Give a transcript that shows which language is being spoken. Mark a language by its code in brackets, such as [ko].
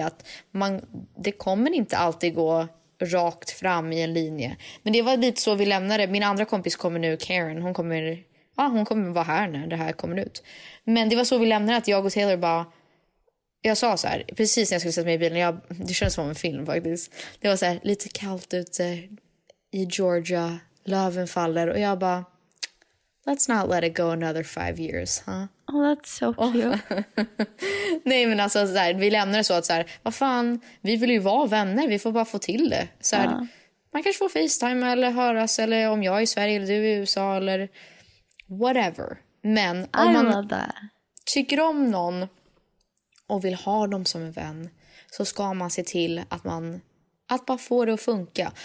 [sv] Att man, det kommer inte alltid gå rakt fram i en linje. Men det var lite så vi lämnade. Min andra kompis kommer nu, Karen. Hon kommer vara här när det här kommer ut. Men det var så vi lämnade, att jag och Taylor bara... Jag sa så här, precis när jag skulle sätta mig i bilen. Det känns som en film faktiskt. Det var så här, lite kallt ute i Georgia. Löven faller. Och jag bara, [en] let's not let it go another 5 years, huh? Oh, that's so cute. [sv] Nej, men alltså så här, vi lämnar det så att så här, vad fan, vi vill ju vara vänner. Vi får bara få till det. Så här, man kanske får FaceTime eller höras. Eller om jag är i Sverige eller du är i USA eller whatever. Men om man tycker om någon och vill ha dem som en vän, så ska man se till att man, att bara få det att funka.